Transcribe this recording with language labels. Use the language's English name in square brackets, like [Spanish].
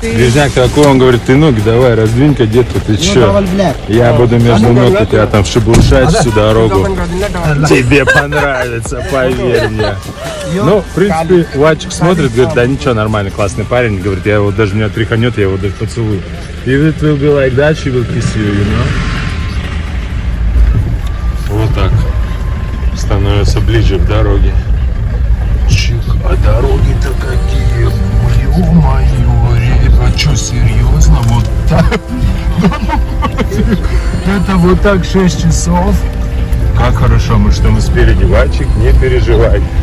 [Russian] Грязняк такой, он говорит, ты ноги давай, раздвинь-ка, детка, ты че? Я буду между ног у тебя там шебуршать всю дорогу. Тебе понравится, поверь мне. Ну, в принципе, Вачик смотрит, говорит, да ничего, нормальный, классный парень. Говорит, я его даже, меня тряханет, я его даже поцелую. [English] И it will be like that, she will kiss you, you know? [Russian] Вот так становится ближе к дороге. Чик, а дороги-то какие? Ё-моё, ребята, чё, серьёзно? Вот так? Это вот так 6 часов? Как хорошо, мы, что мы спереди, Вачик, не переживай.